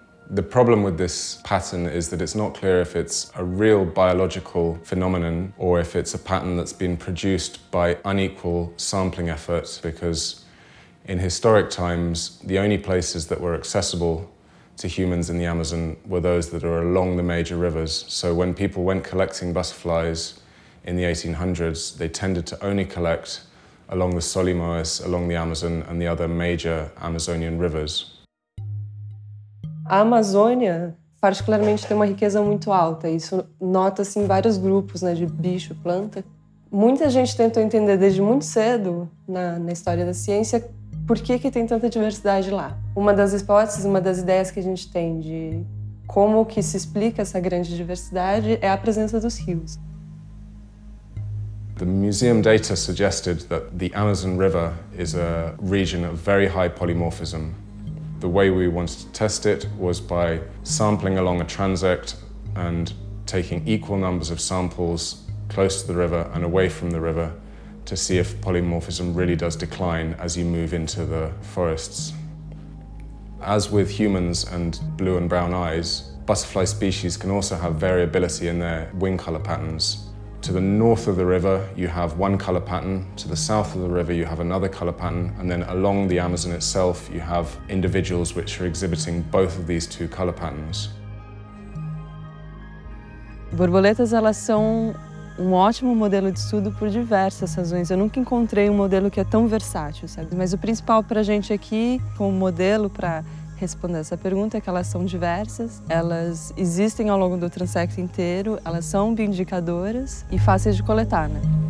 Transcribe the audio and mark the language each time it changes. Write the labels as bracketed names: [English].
[English] The problem with this pattern is that it's not clear if it's a real biological phenomenon or if it's a pattern that's been produced by unequal sampling efforts, because in historic times, the only places that were accessible to humans in the Amazon were those that are along the major rivers. So when people went collecting butterflies in the 1800s, they tended to only collect along the Solimões, along the Amazon, and the other major Amazonian rivers. [Portuguese] A Amazônia, particularmente, tem uma riqueza muito alta. Isso nota-se em vários grupos, né, de bicho, planta. Muita gente tentou entender desde muito cedo, na história da ciência, por que que tem tanta diversidade lá. Uma das hipóteses, uma das ideias que a gente tem de como que se explica essa grande diversidade é a presença dos rios. [English] The museum data suggested that the Amazon River is a region of very high polymorphism. The way we wanted to test it was by sampling along a transect and taking equal numbers of samples close to the river and away from the river to see if polymorphism really does decline as you move into the forests. As with humans and blue and brown eyes, butterfly species can also have variability in their wing color patterns. To the north of the river, you have one color pattern. To the south of the river, you have another color pattern. And then along the Amazon itself, you have individuals which are exhibiting both of these two color patterns. [Portuguese] Borboletas, elas são um ótimo modelo de estudo por diversas razões. Eu nunca encontrei um modelo que é tão versátil, sabe? Mas o principal para a gente aqui, como modelo para responder essa pergunta, é que elas são diversas, elas existem ao longo do transecto inteiro, elas são bioindicadoras e fáceis de coletar, né?